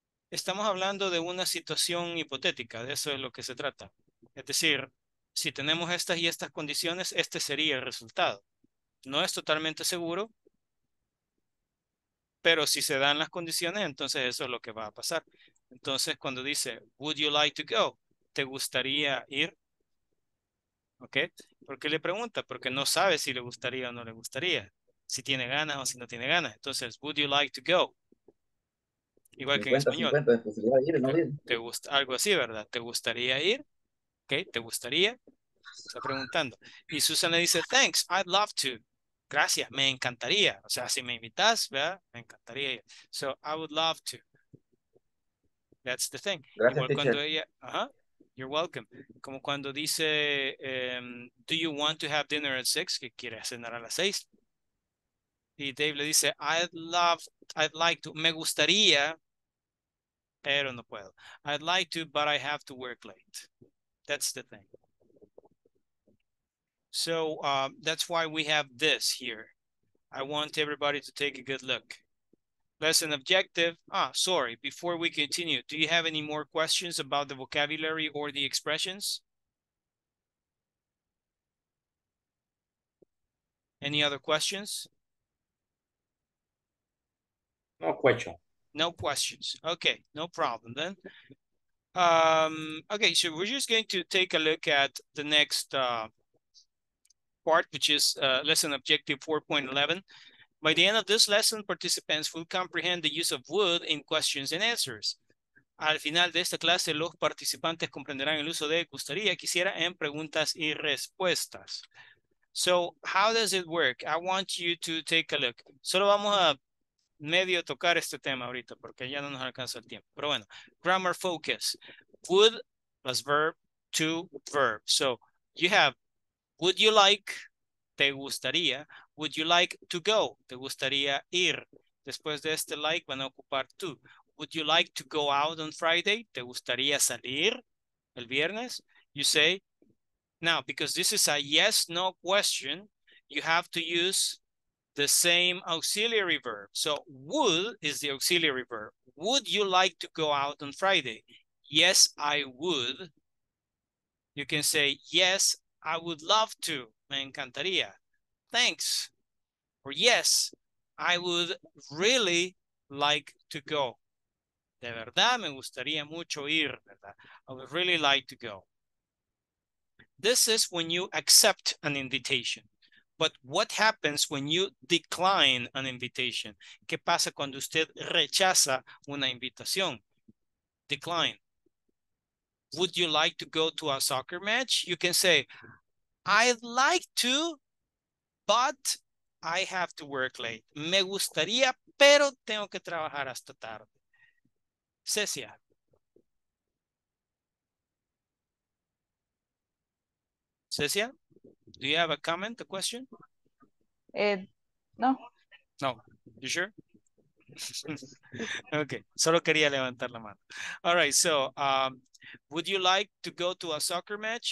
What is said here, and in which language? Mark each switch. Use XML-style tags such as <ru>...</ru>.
<es>Estamos hablando de una situación hipotética, de eso es lo que se trata. Es decir, si tenemos estas y estas condiciones, este sería el resultado. No es totalmente seguro, pero si se dan las condiciones, entonces eso es lo que va a pasar. Entonces, cuando dice,</es> <en>would you like to go?</en> <es>¿Te gustaría ir? ¿Ok? ¿Por qué le pregunta? Porque no sabe si le gustaría o no le gustaría, si tiene ganas o si no tiene ganas. Entonces,</es> <en>would you like to go?</en> <es>Igual que en español. 50, ir, no ¿te gusta algo así, verdad? ¿Te gustaría ir? ¿Ok? ¿Te gustaría? Está preguntando. Y Susan le dice,</es> <en>thanks, I'd love to.</en> <es>Gracias, me encantaría. O sea, si me invitas, ¿verdad? Me encantaría ir.</es> <en>So, I would love to. That's the thing.</en> <es>Gracias, igual</es> <en>teacher.</en> <es>Cuando ella... Ajá.</es> <en>You're welcome.</en> <es>Como cuando dice,</es> <en>do you want to have dinner at 6?</en> <es>Que quiere cenar a las 6. Y Dave le dice,</es> <en>I'd like to,</en> <es>me gustaría, pero no puedo.</es> <en>I'd like to, but I have to work late. That's the thing. So that's why we have this here. I want everybody to take a good look. Lesson objective. Ah, sorry, before we continue, do you have any more questions about the vocabulary or the expressions? Any other questions? No question. No questions. Okay, no problem then. Okay, so we're just going to take a look at the next part, which is lesson objective 4.11. By the end of this lesson, participants will comprehend the use of would in questions and answers.</en> <es>Al final de esta clase, los participantes comprenderán el uso de gustaría, quisiera, en preguntas y respuestas.</es> <en>So, how does it work? I want you to take a look.</en> <es>Solo vamos a medio tocar este tema ahorita, porque ya no nos alcanza el tiempo. Pero bueno,</es> <en>grammar focus. Would plus verb to verb. So, you have, would you like,</en> <es>te gustaría,</es> <en>would you like to go?</en> <es>Te gustaría ir. Después de este like, van a ocupar to.</es> <en>Would you like to go out on Friday?</en> <es>Te gustaría salir el viernes?</es> <en>You say, now, because this is a yes, no question, you have to use the same auxiliary verb. So, would is the auxiliary verb. Would you like to go out on Friday? Yes, I would. You can say, yes, I would love to.</en> <es>Me encantaría.</es> <en>Thanks. Or yes, I would really like to go.</en> <es>De verdad, me gustaría mucho ir, ¿verdad?</es> <en>I would really like to go. This is when you accept an invitation. But what happens when you decline an invitation?</en> <es>¿Qué pasa cuando usted rechaza una invitación? Decline.</es> <en>Would you like to go to a soccer match? You can say, I'd like to, but I have to work late.</en> <es>Me gustaría, pero tengo que trabajar hasta tarde. Cecia,</es> <en>Cecilia, do you have a comment, a question? No. No, you sure?</en> <es>Okay, solo quería levantar la mano.</es> <en>All right, so would you like to go to a soccer match?</en>